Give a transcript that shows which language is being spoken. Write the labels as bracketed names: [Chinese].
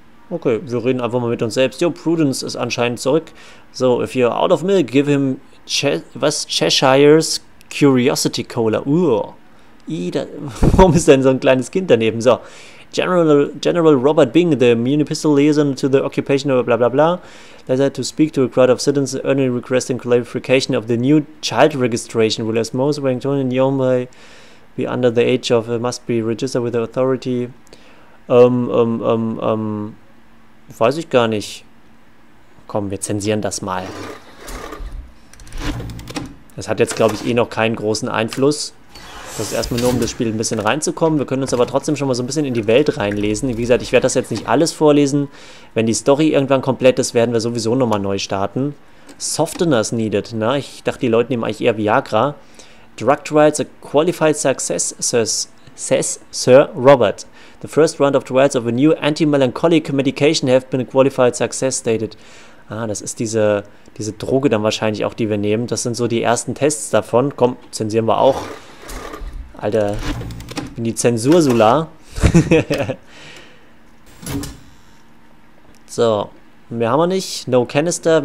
[German] Okay, wir reden einfach mal mit uns selbst. Jo, Prudence ist anscheinend zurück. [English] So, if you're out of milk, give him Cheshire's Curiosity Cola. [German] Warum ist denn so ein kleines Kind daneben? So. [English] General Robert Bing, the municipal liaison to the occupation of blah blah blah, later to speak to a crowd of citizens earning requesting clarification of the new child registration rule as most Wellington and Yombay be under the age of, must be registered with the authority. [German] Weiß ich gar nicht. Komm, wir zensieren das mal. Das hat jetzt, glaube ich, eh noch keinen großen Einfluss. Das ist erstmal nur, um das Spiel ein bisschen reinzukommen. Wir können uns aber trotzdem schon mal so ein bisschen in die Welt reinlesen. Wie gesagt, ich werde das jetzt nicht alles vorlesen. Wenn die Story irgendwann komplett ist, werden wir sowieso nochmal neu starten. [English] Softeners needed, [German] ne? Ich dachte, die Leute nehmen eigentlich eher Viagra. [English] Drug trials, a qualified success, says Sir Robert. The first round of trials of a new anti-melancholic medication have been a qualified success stated. [German] Ah, das ist diese Droge dann wahrscheinlich auch, die wir nehmen. Das sind so die ersten Tests davon. Komm, zensieren wir auch. Alter, ich bin die Zensursula. So, mehr haben wir nicht. No Canister.